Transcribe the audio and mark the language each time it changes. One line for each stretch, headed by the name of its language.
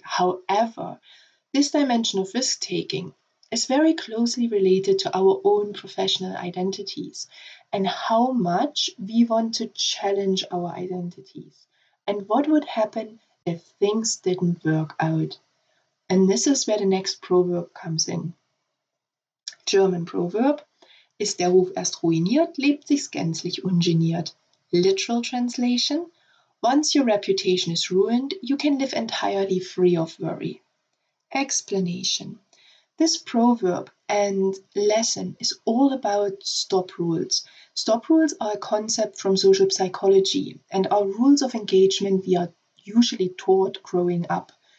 English: However, this dimension of risk taking is very closely related to our own professional identities and how much we want to challenge our identities and what would happen if things didn't work out. And this is where the next proverb comes in. German proverb,
German: ist der Ruf erst ruiniert, lebt sich's gänzlich ungeniert.
English: Literal translation, once your reputation is ruined, you can live entirely free of worry. Explanation, this proverb and lesson is all about stop rules. Stop rules are a concept from social psychology and are rules of engagement we are usually taught growing up.